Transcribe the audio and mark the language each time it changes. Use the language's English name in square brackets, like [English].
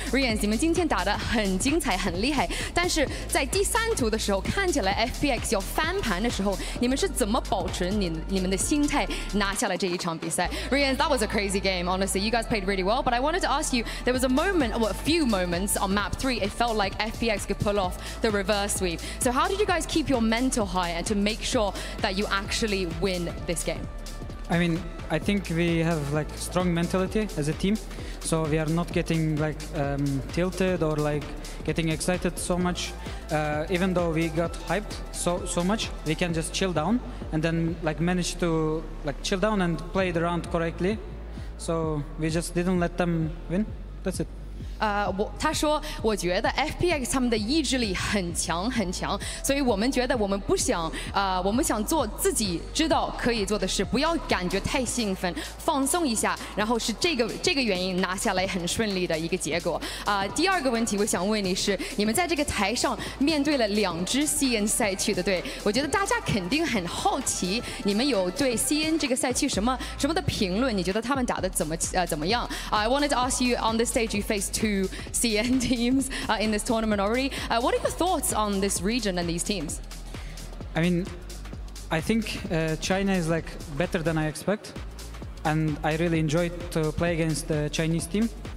[Chinese] RieNs， 你们今天打得很精彩，很厉害。但是在第三组的时候，看起来 FPX 要翻盘的时候，你们是怎么保持你们的心态，拿下了这一场比赛？ [English] RieNs, that was a crazy game. Honestly, you guys played really well, but I wanted to ask you, there was a moment, or a few moments on map three, it felt like FPX could pull off the reverse sweep. So how did you guys keep your mental high and to make sure that you actually win this game? I mean, I think we have like strong mentality as a team, so we are not getting like tilted or like getting excited so much. Even though we got hyped so much, we can just chill down and then like manage to like chill down and play the round correctly. So we just didn't let them win. That's it. [Chinese] 他说，我觉得 FPX 他们的意志力很强，所以我们觉得我们不想做自己知道可以做的事，不要感觉太兴奋，放松一下，然后是这个原因拿下来很顺利的一个结果。第二个问题我想问你是，你们在这个台上面对了两支 CN 赛区的队，我觉得大家肯定很好奇，你们有对 CN 这个赛区什么的评论？你觉得他们打的怎么样？ [English] I wanted to ask you on the stage you face two CN teams in this tournament already. What are your thoughts on this region and these teams? I mean, I think China is like better than I expect, and I really enjoyed to play against the Chinese teams.